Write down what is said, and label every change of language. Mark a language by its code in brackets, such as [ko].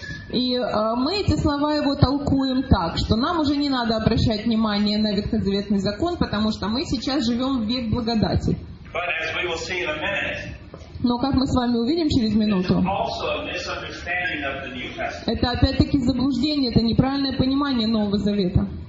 [ru] И мы эти слова его толкуем так, что нам уже не надо обращать внимание на ветхозаветный закон, потому что мы сейчас живем в век благодати. [en] But as we will see in a minute, [ru] но как мы с вами увидим через минуту, это опять-таки заблуждение, это неправильное понимание Нового Завета.